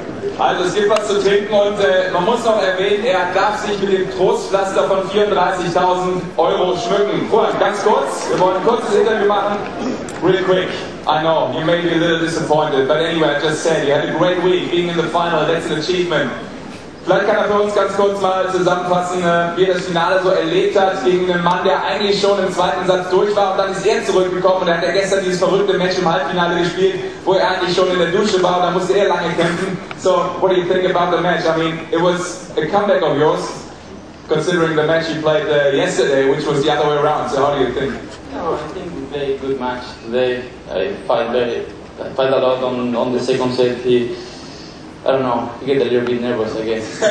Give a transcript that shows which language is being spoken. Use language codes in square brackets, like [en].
[de] Und man muss noch erwähnen, er darf sich mit dem Trostpflaster von 34.000 Euro schmücken. Juan, ganz kurz, wir wollen ein kurzes Interview machen. [en] Real quick, I know, you may be a little disappointed, but anyway, I just said, you had a great week, being in the final, that's an achievement. [de] Vielleicht kann er für uns ganz kurz mal zusammenfassen, wie er das Finale so erlebt hat, gegen einen Mann, der eigentlich schon im zweiten Satz durch war, und dann ist er zurückgekommen und dann hat er gestern dieses verrückte Match im Halbfinale gespielt, wo er eigentlich schon in der Dusche war und da musste er lange kämpfen. [en] So, what do you think about the match? I mean, it was a comeback of yours, considering the match you played yesterday, which was the other way around. So, how do you think? No, I think very good match today. I fight a lot on the second set. He, I don't know, he get a little bit nervous, I guess.